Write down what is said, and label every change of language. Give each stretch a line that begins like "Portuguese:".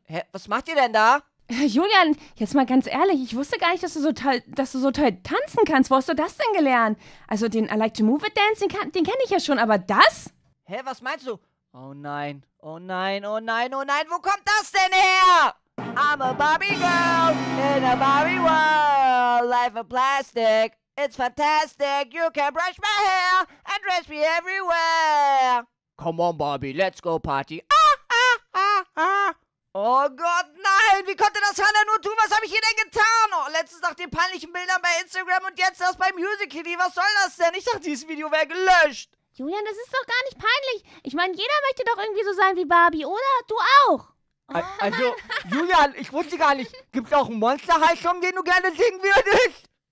German: Hä, was macht ihr denn da? Julian, jetzt mal ganz ehrlich, ich wusste gar nicht, dass du so toll tanzen kannst. Wo hast du das denn gelernt? Also den I Like To Move It Dance, den kenne ich ja schon, aber das? Hä, was meinst du? Oh nein, oh nein, oh nein, oh nein, wo kommt das denn her?
English: I'm a Barbie girl in a Barbie world. Life of plastic, it's fantastic. You can brush my hair and dress me everywhere. Come on, Barbie, let's go party.
German: Oh Gott, nein! Wie konnte das Hannah nur tun? Was habe ich ihr denn getan? Oh, letztens nach den peinlichen Bildern bei Instagram und jetzt das bei Musical.ly. Was soll das denn? Ich dachte, dieses Video wäre gelöscht. Julian, das ist doch gar nicht peinlich. Ich meine, jeder möchte doch irgendwie so sein wie Barbie, oder? Du auch. Also, Julian, ich wusste gar nicht, gibt's auch einen Monster-High-Song, den du gerne singen würdest?